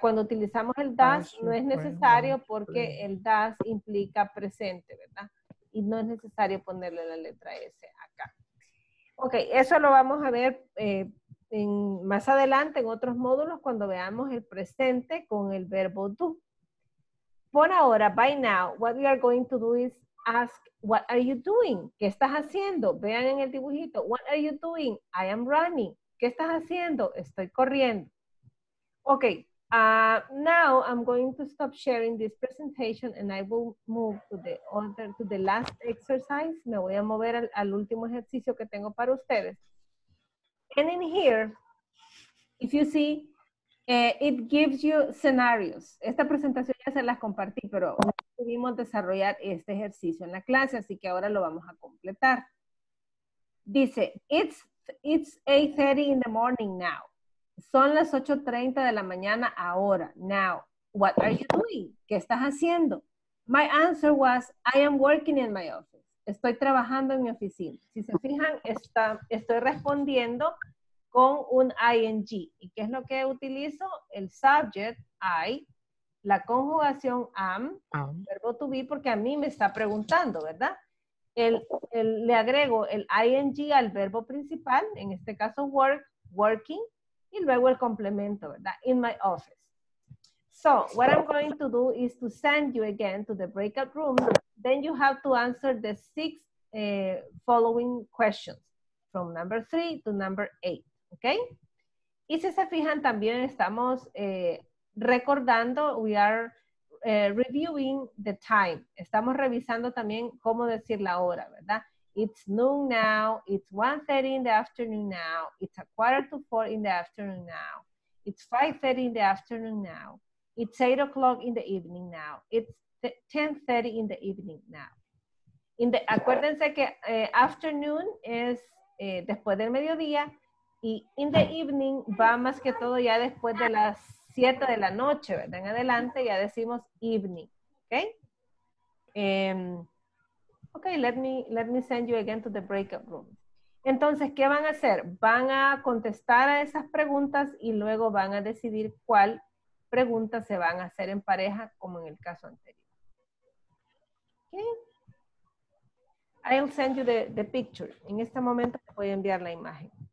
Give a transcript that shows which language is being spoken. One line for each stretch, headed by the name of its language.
Spanish: Cuando utilizamos el does, no es necesario porque el does implica presente, ¿verdad? Y no es necesario ponerle la letra S acá. Ok, eso lo vamos a ver más adelante en otros módulos cuando veamos el presente con el verbo do. Por ahora,
English: by now, what we are going to do is ask, what are you doing?
Spanish: ¿Qué estás haciendo? Vean en el dibujito,
English: what are you doing? I am running.
Spanish: ¿Qué estás haciendo? Estoy corriendo. Ok.
English: Now I'm going to stop sharing this presentation and I will move to the last exercise.
Spanish: Me voy a mover al último ejercicio que tengo para ustedes.
English: And in here, if you see, it gives you scenarios.
Spanish: Esta presentación ya se las compartí, pero pudimos desarrollar este ejercicio en la clase, así que ahora lo vamos a completar.
English: Dice, it's 8:30 in the morning now.
Spanish: Son las 8:30 de la mañana ahora.
English: Now, what are you doing?
Spanish: ¿Qué estás haciendo?
English: My answer was, I am working in my office.
Spanish: estoy trabajando en mi oficina. Si se fijan, estoy respondiendo con un ing. ¿Y qué es lo que utilizo? El subject, I, la conjugación am, verbo to be, porque a mí me está preguntando, ¿verdad? Le agrego el ing al verbo principal, en este caso work, working, y luego el complemento, ¿verdad?
English: In my office. So, what I'm going to do is to send you again to the breakout room. Then you have to answer the six following questions, from number 3 to number 8, okay?
Spanish: Y si se fijan, también estamos recordando,
English: we are reviewing the time.
Spanish: Estamos revisando también cómo decir la hora, ¿verdad?
English: It's noon now, it's 1:30 in the afternoon now, it's 3:45 in the afternoon now, it's 5:30 in the afternoon now, it's 8:00 in the evening now, it's 10:30 in the evening now.
Spanish: Acuérdense que afternoon es después del mediodía, y in the evening va más que todo ya después de las 7 de la noche, ¿verdad? En adelante ya decimos evening, ¿ok?
English: Okay, let me send you again to the breakout room.
Spanish: Entonces, ¿qué van a hacer? Van a contestar a esas preguntas y luego van a decidir cuál pregunta se van a hacer en pareja, como en el caso anterior. Okay.
English: I'll send you the picture.
Spanish: En este momento voy a enviar la imagen.